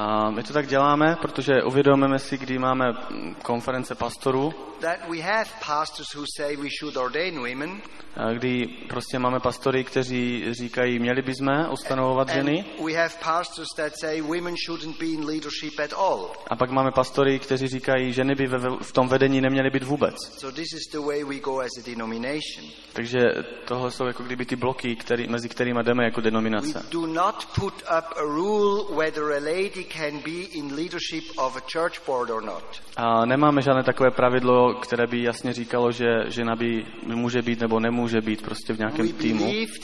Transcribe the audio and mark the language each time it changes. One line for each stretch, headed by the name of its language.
Czech: My to tak děláme, protože uvědomujeme si, kdy máme konference pastorů.
English: That we have pastors who say we should ordain women.
Czech: Kdy prostě máme pastory, kteří říkají, měli bychom ustanovovat ženy.
English: And we have pastors that say women shouldn't be in leadership at all.
Czech: A pak máme pastory, kteří říkají, ženy by v tom vedení neměly být vůbec.
English: So this is the way we go as a denomination.
Czech: Takže tohle jsou jako kdyby ty bloky, mezi kterými jdeme jako denominace.
English: We do not put up a rule whether a lady can be in leadership of a church board or not.
Czech: A nemáme žádné takové pravidlo, které by jasně říkalo, že žena by může být nebo nemůže být prostě v nějakém týmu.